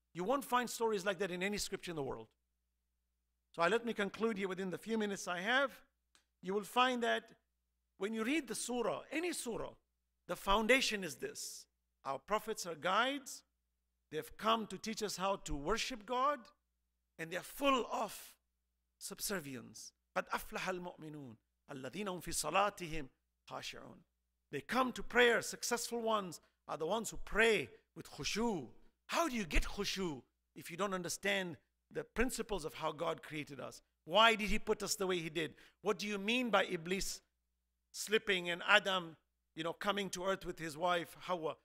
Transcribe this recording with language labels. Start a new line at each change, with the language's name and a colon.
English: You won't find stories like that in any scripture in the world. So let me conclude here within the few minutes I have. You will find that when you read the surah, any surah, the foundation is this. Our prophets are guides. They've come to teach us how to worship God. And they're full of subservience.
Arabic: قَدْ أَفْلَحَ الْمُؤْمِنُونَ الَّذِينَ هُمْ فِي صَلَاتِهِمْ خَاشِعُونَ.
English: They come to prayer. Successful ones are the ones who pray with khushu. How do you get khushu if you don't understand the principles of how God created us? Why did he put us the way he did? What do you mean by Iblis slipping and Adam, you know, coming to earth with his wife, Hawa?